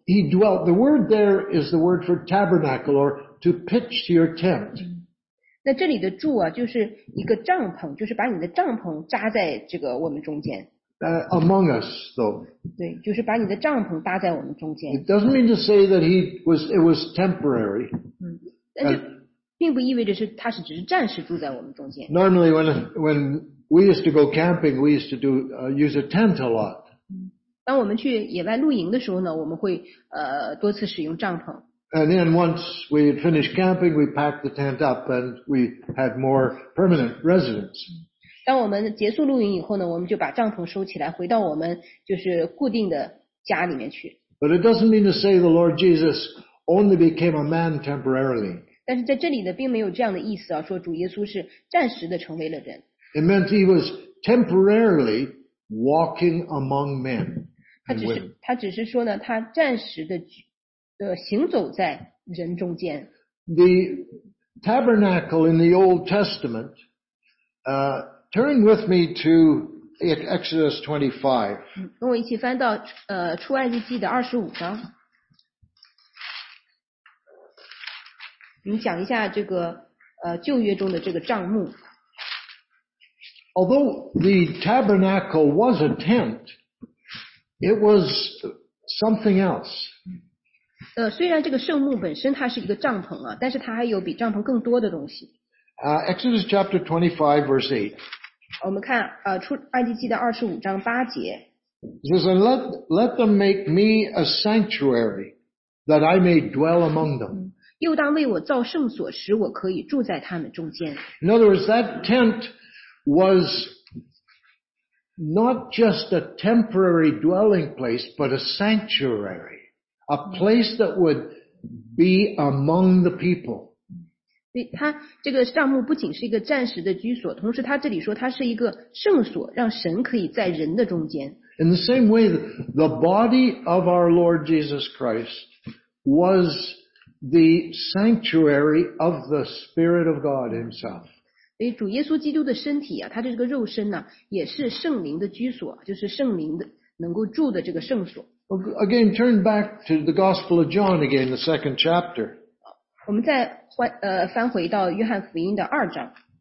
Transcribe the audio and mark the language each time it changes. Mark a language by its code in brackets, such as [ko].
[en] He dwelt. The word there is the word for tabernacle or to pitch your tent. [zh] 那这里的住啊，就是一个帐篷，就是把你的帐篷扎在这个我们中间。 [en] Among us, though. [zh] 对，就是把你的帐篷搭在我们中间。 [en] It doesn't mean to say that he was. It was temporary. [zh] 但是并不意味着是他是只是暂时住在我们中间。 [en] Normally, when We used to go camping, we used to do, use a tent a lot. [zh] 当我们去野外露营的时候呢，我们会多次使用帐篷。 [en] And then once we had finished camping, we packed the tent up and we had more permanent residence. [zh] 当我们结束露营以后呢，我们就把帐篷收起来，回到我们就是固定的家里面去。 [en] But it doesn't mean to say the Lord Jesus only became a man temporarily. [zh] 但是在这里呢，并没有这样的意思啊，说主耶稣是暂时的成为了人。 [en] It meant he was temporarily walking among men. [zh] 他只是说呢，他暂时的行走在人中间。 [en] The tabernacle in the Old Testament, turn with me to Exodus 25. [zh] 跟我一起翻到出埃及记的二十五章。你讲一下这个旧约中的这个帐幕。 [en] Although the tabernacle was a tent, It was something else. [zh] 虽然这个圣幕本身它是一个帐篷啊，但是它还有比帐篷更多的东西。 [en] Exodus chapter 25 verse 8. [zh] 我们看埃及记的二十五章八节。 [en] It says, and let them make me a sanctuary that I may dwell among them. [zh] 又当为我造圣所，使我可以住在他们中间。 [en] In other words, that tent was not just a temporary dwelling place, but a sanctuary. A place that would be among the people. [zh] 他这个帐幕不仅是一个暂时的居所，同时他这里说它是一个圣所，让神可以在人的中间。 [en] In the same way, the body of our Lord Jesus Christ was the sanctuary of the Spirit of God Himself. [zh] 所以主耶稣基督的身体啊，他的这个肉身呢，也是圣灵的居所，就是圣灵的能够住的这个圣所。 [en] Again, turn back to the Gospel of John again, the second chapter. [zh] 我们再翻回到约翰福音的二章。